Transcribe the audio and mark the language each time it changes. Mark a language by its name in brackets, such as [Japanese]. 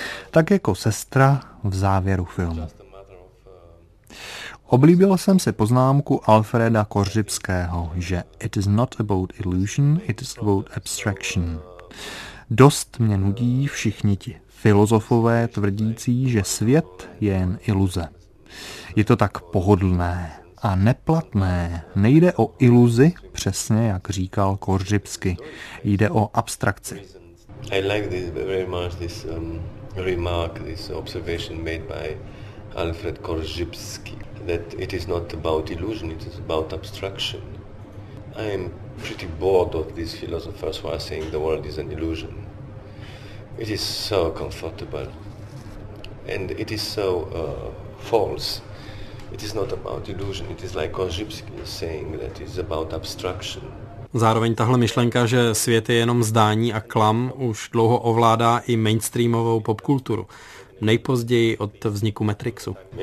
[Czech] Tak jako sestra v závěru filmu. Oblíbil jsem si poznámku Alfreda Korzybského, že [English] it is not about illusion, it is about abstraction. [Czech] Dost mě nudí všichni ti filozofové tvrdící, že svět je jen iluze. Je to tak pohodlné a neplatné. Nejde o iluzi, přesně jak říkal Korzybský. Jde o abstrakci. [English] I like this very much, this remark, this observation made by Alfred Korzybský. That it is not about illusion, it is about abstraction. I am pretty bored of these philosophers who are saying the world is an illusion. It is so comfortable. And it is so false. It is not about illusion, it is like Korzybský saying that it is about abstraction. [Czech] Zároveň tahle myšlenka, že svět je jenom zdání a klam, už dlouho ovládá i mainstreamovou popkulturu. Nejpozději od vzniku Matrixu.